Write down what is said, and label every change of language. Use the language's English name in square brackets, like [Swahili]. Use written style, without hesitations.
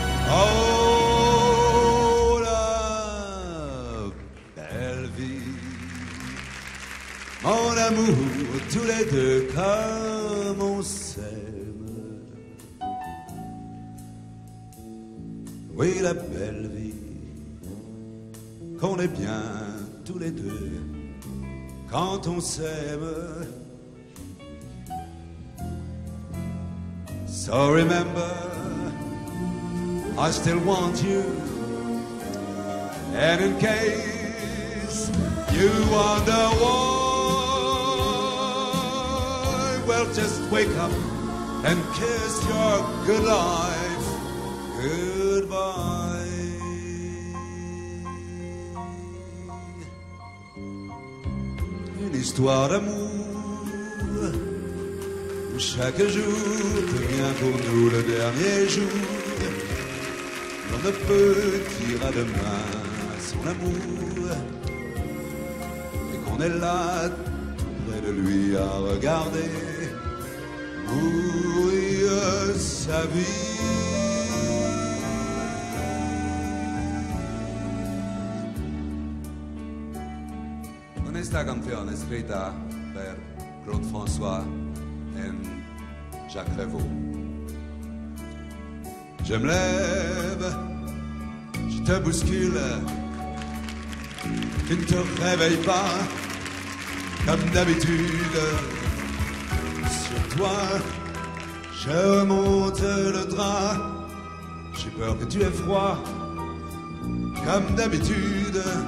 [French] Oh, la belle vie, mon amour, tous les deux comme on s'aime. Oui, la belle vie, qu'on est bien tous les deux quand on s'aime. [English] So remember, I still want you, and in case you wonder why, well, just wake up and kiss your good life goodbye. [French] Une histoire d'amour où chaque jour devient pour nous le dernier jour. On ne peut dire à demain son amour, et qu'on est là tout près de lui à regarder mourir sa vie. [Spanish] Con esta canción escrita per Claude François en Jacques Revaux. [French] Je me lève, je te bouscule, tu ne te réveilles pas, comme d'habitude. Sur toi, je remonte le drap, j'ai peur que tu aies froid, comme d'habitude.